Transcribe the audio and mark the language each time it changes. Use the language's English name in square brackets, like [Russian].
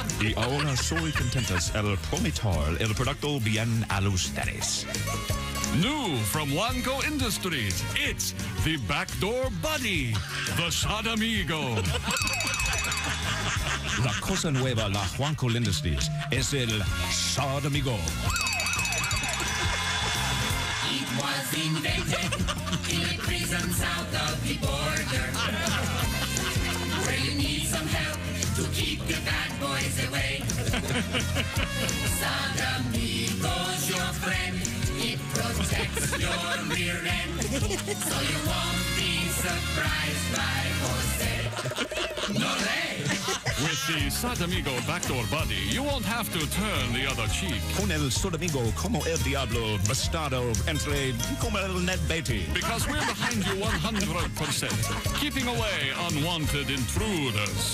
[Spanish] Y ahora soy contentos el prometer el producto bien a ustedes. [English] New from Juanco Industries, it's the Backdoor Buddy, the Shot Amigo. [Spanish] La cosa nueva la Juanco Industries es el Shot Amigo. [English] It was invented in a prison south of the border. Where you need some help to keep your bad boys away. Shot Amigo's your friend. It protects your rear end, so you won't be surprised by Jose. No way! With the Sodamigo Backdoor Buddy, you won't have to turn the other cheek. [Spanish] Con el Sodamigo como el Diablo Bastardo entre como el Ned Beatty. [English] Because we're behind you 100%, keeping away unwanted intruders.